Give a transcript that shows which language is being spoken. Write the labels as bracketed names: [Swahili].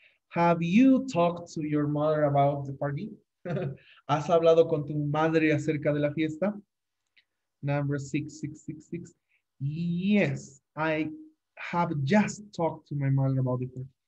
[English] Have you talked to your mother about the party? [Spanish] ¿Has hablado con tu madre acerca de la fiesta? [English] Number 6, 6, 6, 6. Yes, I have just talked to my mother about the party.